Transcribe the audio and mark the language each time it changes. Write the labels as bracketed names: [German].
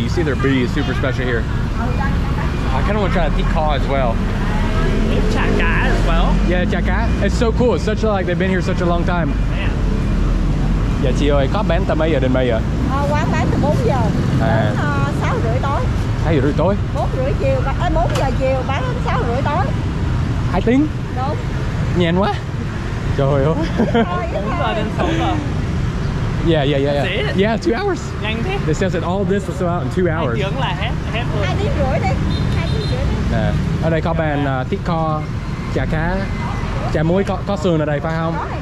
[English] You see their B is super special here. I kind of want to try the thịt kho as well. Chả cá as well. Yeah, chả cá. It's so cool. It's such a, like they've been here such a long time. Man. [Vietnamese] Yeah, chị ơi, có bán từ mấy giờ đến mấy giờ? Quán bán từ 4 giờ đến 6 rưỡi tối. 2 giờ rưỡi tối? 4 rưỡi chiều, 4 giờ chiều bán đến 6 rưỡi tối. 2 tiếng? Đúng. Nhanh quá. Trời ơi. 4 giờ đến 6 giờ. [English] Yeah. That's it? Yeah, 2 hours. [Vietnamese] Nhanh [English] thế. It says that all this will sell out in 2 hours. [Vietnamese] Hai tiếng là hết luôn. Hai tiếng rưỡi đi. Hai tiếng rưỡi. Ở đây có bàn thịt kho, chả cá, chả muối có sườn ở đây phải không?